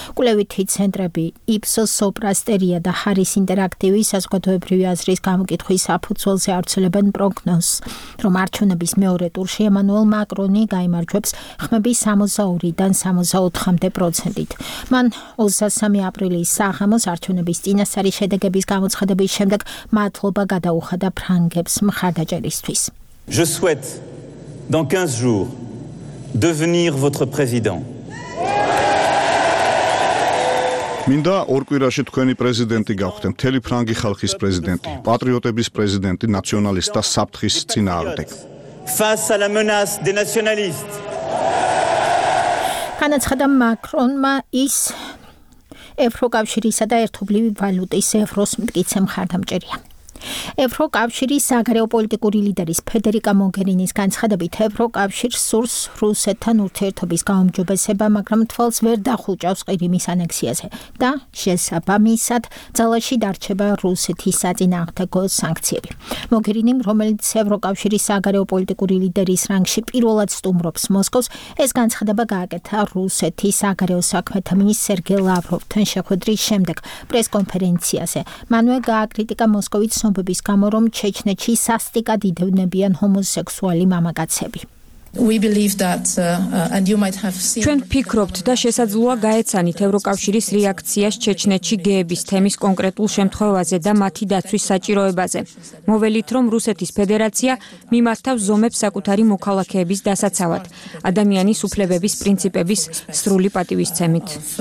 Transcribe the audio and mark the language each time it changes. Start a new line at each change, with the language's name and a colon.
Georgian: კვლევითი ცენტრები Ipsos, Soprasteria და Harris Interactive-ის საზოგადოებრივი აზრის გამოკითხვის საფუძველზე არცულებენ პროგნოზს, რომ არჩევნების მეორე ტურში ემანუელ მაკრონი გამარჯვებს ხმების 62-64%. მან 23 აპრილის საღამოს არჩევნების წინასწარი შედეგების გამოცხადების შემდეგ მათლობა გადაუხადა ფრანგებს მხარდაჭერისთვის.
French: Je souhaite dans 15 jours devenir votre président.
Georgian: მინდა ორ კვირაში თქვენი პრეზიდენტი გავხდე, მთელი ფრანგი ხალხის პრეზიდენტი, პატრიოტების პრეზიდენტი, ნაციონალისტთა საფრთხის წინააღმდეგ.
French: Face à la menace des nationalistes.
Georgian: განაცხადა მაკრონმა ის ევროკავშირისა და ერთობლივი ვალუტის ევროს მტკიცე მხარდამჭერია. ევროკავშირის საგარეო პოლიტიკური ლიდერის ფედერიკა მოგერინის განცხადებით ევროკავშირს სურს რუსეთთან ურთიერთობის გაუმჯობესება, მაგრამ თვალს ვერ დახუჭავს ყირიმის ანექსიაზე და შესაბამისად ძალაში დარჩება რუსეთის საწინააღმდეგო სანქციები. მოგერინი, რომელიც ევროკავშირის საგარეო პოლიტიკური ლიდერის რანგში პირველად სტუმრობს მოსკოვს, ეს განცხადება გააკეთა რუსეთის საგარეო საქმეთა მინისტრ სერგეი ლავროვთან შეხვედრის შემდეგ პრესკონფერენციაზე. მანვე გააკრიტიკა მოსკოვის ცნობების გამო, რომ ჩეჩნეთში სასტიკად იდევნებიან ჰომოსექსუალი მამაკაცები.
English: We believe that and you might have seen
Georgian: ჩვენ ფიქრობთ და შესაძლოა გაეცანით ევროკავშირის რეაქციას ჩეჩნეთში გეების თემის კონკრეტულ შემთხვევაზე და მათი დაცვის საჭიროებაზე. მოველით, რომ რუსეთის ფედერაცია მიმართავს ზომებს საკუთარი მოქალაქეების დასაცავად, ადამიანის უფლებების პრინციპების სრული პატივისცემით.